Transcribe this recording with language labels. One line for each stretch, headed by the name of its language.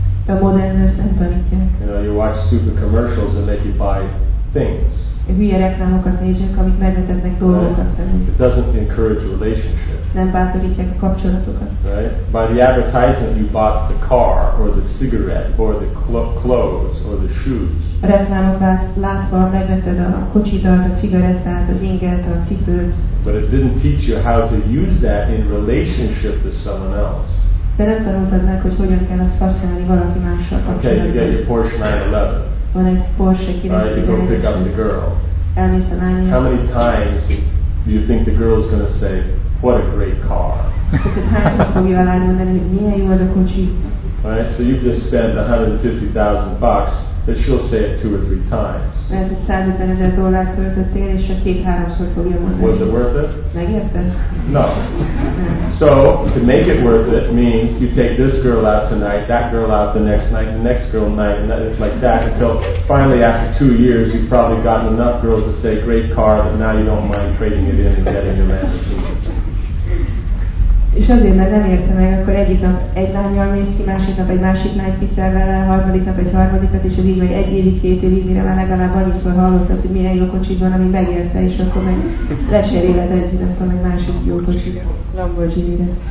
Hungarian: A modern ezt nem tanítják.
English: You know, you watch stupid commercials and make you buy things.
Hungarian: Hülye reklámokat nézünk, amik megvetetnek dolgokat felünk.
English: It doesn't encourage relationships.
Hungarian: Nem bátorítják a kapcsolatokat.
English: Right? By the advertisement you bought the car, or the cigarette, or the clothes, or the shoes.
Hungarian: A reklámokat látva megvetted a kocsidat, a cigarettát, az inget, a cipőt.
English: But it didn't teach you how to use that in relationship to someone else.
Hungarian: De nem tanultad meg, hogy hogyan kell azt használni valaki mással kapcsolatban.
English: Okay, you get your Porsche 911.
Hungarian: Van egy Porsche 911.
English: Right, you go pick up the girl.
Hungarian: Elmész a lányra.
English: How many times do you think the girl is going to say, what a great car. Right, so you just spend $150,000 that she'll say it two or three times. Was it worth it? No. So to make it worth it means you take this girl out tonight, that girl out the next girl night, and it's like that until finally after 2 years you've probably gotten enough girls to say great car that now you don't mind trading it in and getting your man.
Hungarian: És azért, mert nem értem meg, akkor egyik nap egy lányjal mész ki, másik nap egy másik lányt viszel vele, harmadik nap egy harmadikat, és az így egy évig, két évig, mire már legalább annyiszor hallottad, hogy milyen jó kocsit van, ami megérte, és akkor meg leseréled egy, nem tudom, egy másik jó kocsit, Lamborghini-re.